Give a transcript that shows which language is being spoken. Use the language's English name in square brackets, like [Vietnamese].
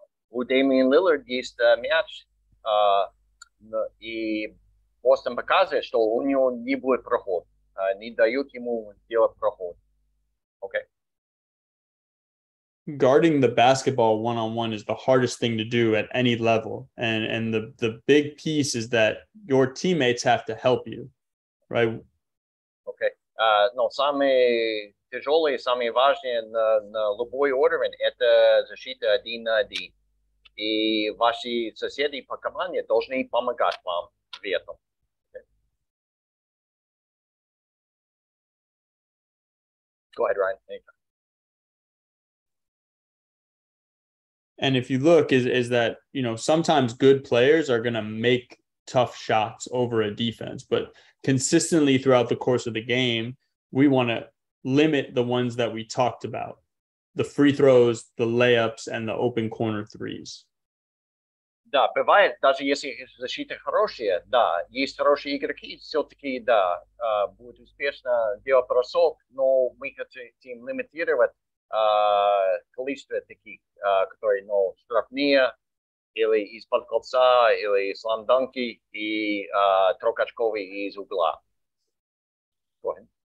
[English] Well, Damian Lillard is the match, and Boston [Russian] показывает, что у него не будет проход, не дают ему делать проход. Okay. [English] Guarding the basketball one-on-one is the hardest thing to do at any level. And the big piece is that your teammates have to help you, right? Okay. [Russian] Самый тяжелый, самый важный на любой уровень – это защита один на один. И ваши соседи по команде должны помогать вам в этом. [English] Okay. Go ahead, Ryan. Thank you. And if you look, is that, sometimes good players are going to make tough shots over a defense, but consistently throughout the course of the game, we want to limit the ones that we talked about, the free throws, the layups, and the open corner threes. [Russian] Да, бывает, даже если защита хорошая, да, есть хорошие игроки, все-таки, да, будет успешно делать бросок, но мы хотим лимитировать количество таких, которые, штрафные, или из-под кольца, или слам-данки, и трехочковые из угла. [English] Go ahead.